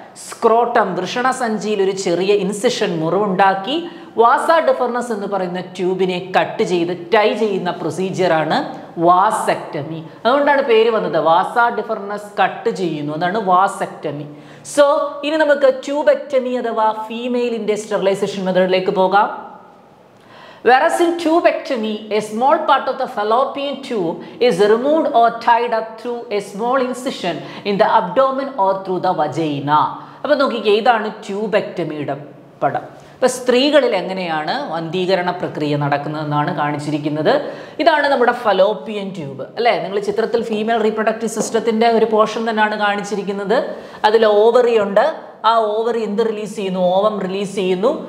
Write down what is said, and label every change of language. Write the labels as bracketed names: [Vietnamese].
[Malayalam] Scrotum വൃഷണസഞ്ചിയിൽ ഒരു ചെറിയ incision മുറിവുണ്ടാക്കി വാസ ഡിഫർണസ് എന്ന് പറയുന്ന ട്യൂബിനെ കട്ട് ചെയ്ത് ടൈ ചെയ്യുന്ന പ്രൊസീജിയറാണ് വാസെക്ടമി. അതുകൊണ്ടാണ് പേര് വന്നത്, വാസ ഡിഫർണസ് കട്ട് ചെയ്യുന്നു, അതാണ് വാസെക്ടമി. സോ ഇനി നമുക്ക് ട്യൂബെക്ടമി അഥവാ ഫീമെയിലിൻ്റെ സ്റ്റെറിലൈസേഷൻ മെത്തേഡിലേക്ക് പോകാം. [English] Whereas in tubectomy, a small part of the fallopian tube is removed or tied up through a small incision in the abdomen or through the vagina. [Malayalam] അപ്പോൾ നോക്കി, ഏതാണ് ട്യൂബെക്ടമിയുടെ പടം. അപ്പോൾ സ്ത്രീകളിൽ എങ്ങനെയാണ് വന്ധീകരണ പ്രക്രിയ നടക്കുന്നതെന്നാണ് കാണിച്ചിരിക്കുന്നത്. ഇതാണ് നമ്മുടെ ഫലോപ്പിയൻ ട്യൂബ് അല്ലേ. നിങ്ങൾ ചിത്രത്തിൽ ഫീമെയിൽ റീപ്രൊഡക്റ്റീവ് സിസ്റ്റത്തിൻ്റെ ഒരു പോർഷൻ തന്നെയാണ് കാണിച്ചിരിക്കുന്നത്. അതിൽ ഓവറിയുണ്ട്. ആ ഓവർ എന്ത് റിലീസ് ചെയ്യുന്നു? ഓവം റിലീസ് ചെയ്യുന്നു.